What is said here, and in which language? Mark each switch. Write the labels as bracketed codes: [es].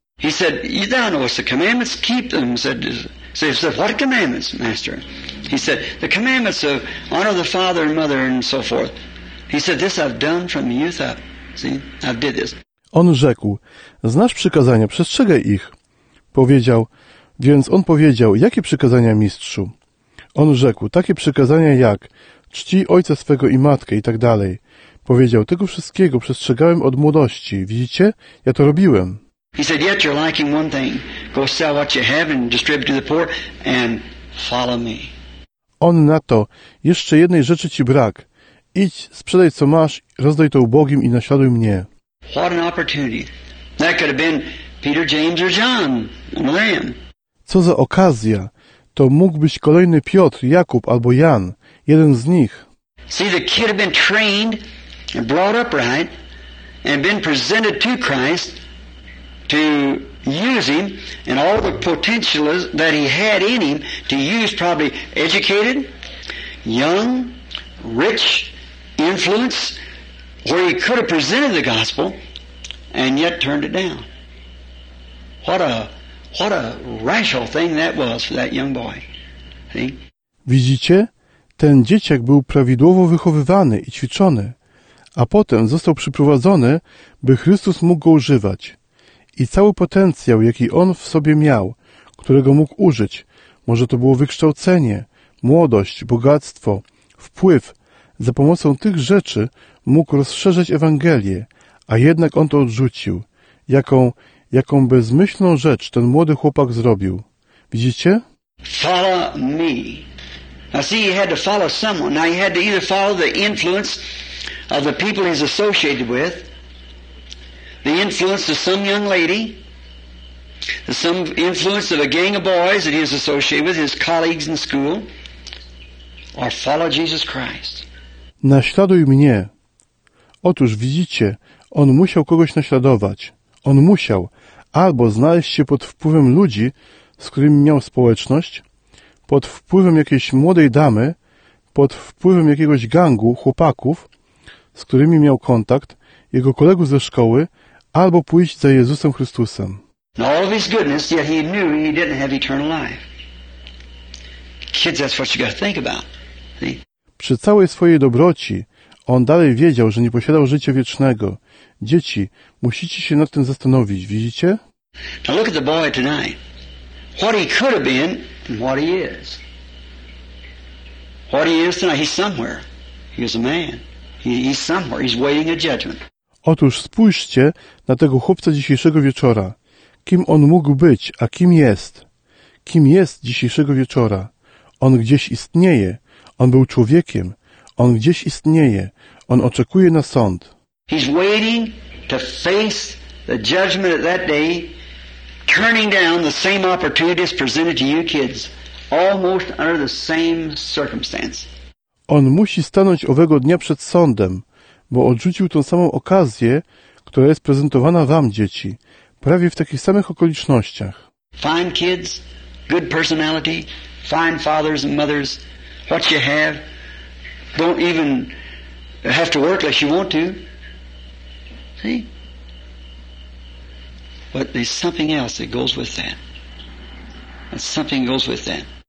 [en] He said, you don't know what's the commandments, keep them. He said, what commandments, master? He said, the commandments of honor the father and mother and so forth. He said, this I've done from youth up. See, I've did this. [pl] On rzekł, znasz przykazania, przestrzegaj ich. Powiedział, więc on powiedział, jakie przykazania, mistrzu? On rzekł, takie przykazania jak, czci ojca swego i matkę i tak dalej. Powiedział, tego wszystkiego przestrzegałem od młodości. Widzicie? Ja to robiłem. [en] He said, yet you're lacking one thing. Go sell what you have and distribute to the poor and follow me. [pl] On na to, jeszcze jednej rzeczy ci brak. Idź, sprzedaj co masz, rozdaj to ubogim i naśladuj mnie. [en] What an opportunity. That could have been Peter, James or John on the land. [pl] Co za okazja. To mógł być kolejny Piotr, Jakub albo Jan. Jeden z nich. [en] See, the kid had been trained and brought up right and been presented to Christ to use him and all the potential that he had in him to use, probably educated, young, rich, influence, where he could have presented the gospel and yet turned it down. What a rational thing that was for that young boy. See? [pl] Widzicie? Ten dzieciak był prawidłowo wychowywany i ćwiczony, a potem został przyprowadzony, by Chrystus mógł go używać. I cały potencjał, jaki on w sobie miał, którego mógł użyć, może to było wykształcenie, młodość, bogactwo, wpływ, za pomocą tych rzeczy mógł rozszerzać Ewangelię, a jednak on to odrzucił. Jaką bezmyślną rzecz ten młody chłopak zrobił. Widzicie? [en] Follow me. Now see, he had to follow someone. Now he had to either follow the influence of the people he's associated with, the influence of some young lady, some influence of a gang of boys that he was associated with, his colleagues in school, or follow Jesus Christ. [pl] Naśladuj mnie. Otóż widzicie, on musiał kogoś naśladować. On musiał albo znaleźć się pod wpływem ludzi, z którymi miał społeczność, pod wpływem jakiejś młodej damy, pod wpływem jakiegoś gangu, chłopaków, z którymi miał kontakt, jego kolegów ze szkoły, albo pójść za Jezusem Chrystusem. [en] In all of his goodness, yet he knew he didn't have eternal life. Kids, that's what you got to think about. [pl] Przy całej swojej dobroci, on dalej wiedział, że nie posiadał życia wiecznego. Dzieci, musicie się nad tym zastanowić, widzicie? [en] Now look at the boy tonight. What he could have been and what he is. What he is tonight, he's somewhere. He was a man. He's somewhere. He's waiting a judgment. [pl] Otóż spójrzcie na tego chłopca dzisiejszego wieczora. Kim on mógł być, a kim jest? Kim jest dzisiejszego wieczora? On gdzieś istnieje. On był człowiekiem. On gdzieś istnieje. On oczekuje na sąd. [en] He's waiting to face the judgment of that day, turning down the same opportunities presented to you kids, almost under the same circumstance. [pl] On musi stanąć owego dnia przed sądem, bo odrzucił tą samą okazję, która jest prezentowana wam, dzieci, prawie w takich samych okolicznościach. [en] Fine kids, good personality, fine fathers and mothers, what you have, don't even have to work unless you want to. See? But there's something else that goes with that. Something goes with that.